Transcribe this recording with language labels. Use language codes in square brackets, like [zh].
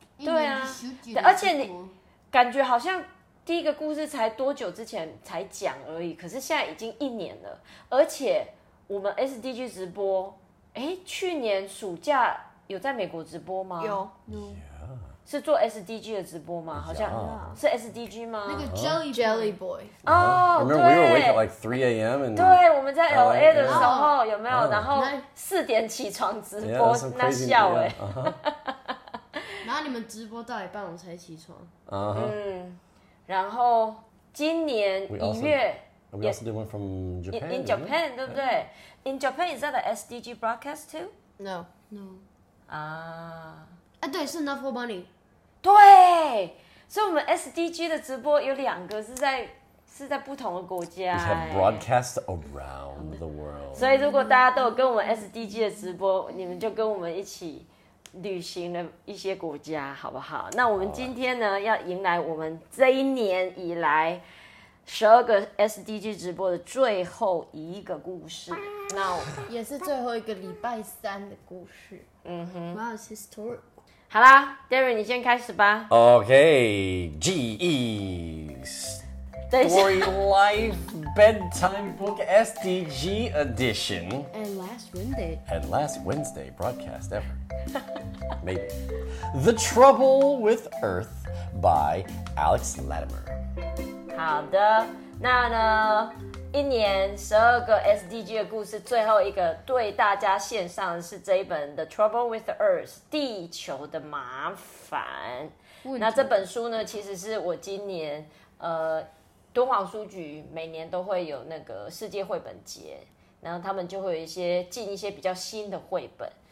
[zh] 对啊，而且你感觉好像第一个故事才多久之前才讲而已，可是现在已经一年了，而且我们 SDG 直播，去年暑假有在美国直播吗？有。是做 SDG 的直播吗？好像、是 SDG 吗？那个 Jelly Boy 哦、 [en] ，remember we were awake at like 3 a.m. [zh] 对，我们在 LA 的时候、有没有？Oh. 然后四点起床直播， [en] yeah, crazy, [zh] 那笑哎、欸！ Uh-huh. 然后你们直播到一半我才起床， uh-huh. 然后今年一月 [en] we also did one from Japan in Japan、right? [zh] 对不对、 [en] yeah. ？In Japan is that an SDG broadcast too？ No， no，啊。 [zh] 哎、对，是 Enough for Money。对，所以我们 SDG 的直播有两个是在不同的国家。 [en] We have broadcast around the world。 [zh] 所以如果大家都有跟我们 SDG 的直播，你们就跟我们一起旅行了一些国家，好不好？那我们今天呢， right. 要迎来我们这一年以来十二个 SDG 直播的最后一个故事，那也是最后一个礼拜三的故事。 [en] Wow, it's historic. [zh] 好啦 ，Darren， 你先开始吧。 [en] OK，GE's Story Life Bedtime Book SDG Edition and last Wednesday broadcast ever. Maybe The Trouble with Earth by Alex Latimer. [zh] 好的，那呢，一年十二个 SDG 的故事，最后一个对大家献上的是这一本《The Trouble with the Earth》地球的麻烦。那这本书呢，其实是我今年敦煌书局每年都会有那个世界绘本节，然后他们就会有一些进一些比较新的绘本。